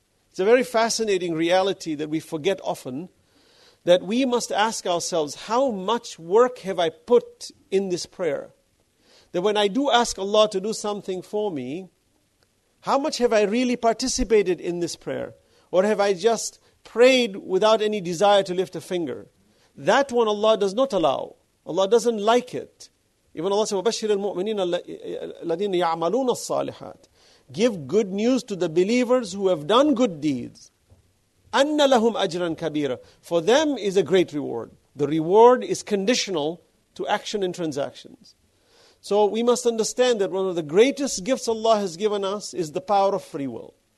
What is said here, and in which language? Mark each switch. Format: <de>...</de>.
<en>It's a very fascinating reality that we forget often, that we must ask ourselves, how much work have I put in this prayer? That when I do ask Allah to do something for me, how much have I really participated in this prayer? Or have I just prayed without any desire to lift a finger? That one Allah does not allow. Allah doesn't like it. Even Allah says,</en> <ar>وَبَشِّرِ الْمُؤْمِنِينَ الَّذِينَ يَعْمَلُونَ الصَّالِحَاتِ.</ar> <en>Give good news to the believers who have done good deeds.</en> <ar>أَنَّ لَهُمْ أَجْرًا كَبِيرًا.</ar> <en>For them is a great reward. The reward is conditional to action and transactions. So we must understand that one of the greatest gifts Allah has given us is the power of free will.</en>